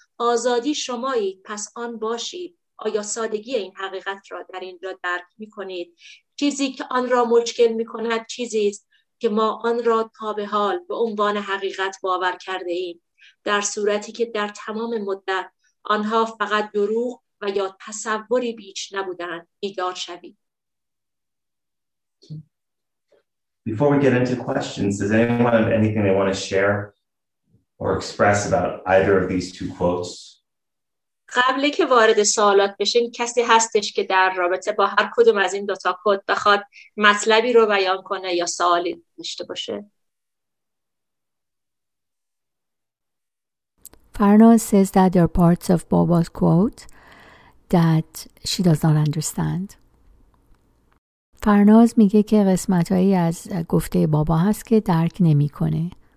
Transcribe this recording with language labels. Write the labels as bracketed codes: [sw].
[fa] آزادی شمایید، پس آن باشید. آیا سادگی این حقیقت را در اینجا درک می کنید؟ چیزی که آن را مشکل می کند چیزی است که ما آن را تا به حال به عنوان حقیقت باور کرده ایم، در صورتی که در تمام مدت آنها فقط دروغ و یا تصوری بیش نبودند. بیدار شوید. [en] Before we get into questions, does anyone have anything they want to share or express about either of these two quotes? [fa] قبل که وارد سوالات بشین، کسی هستش که در رابطه با هر کدوم از این دو تا کد بخواد مطلبی رو بیان کنه یا سوالی داشته باشه؟ [en] Farnaz says that there are parts of Baba's quote that she does not understand. [fa] Farnaz میگه که قسمتایی از گفته بابا هست که درک نمی‌کنه.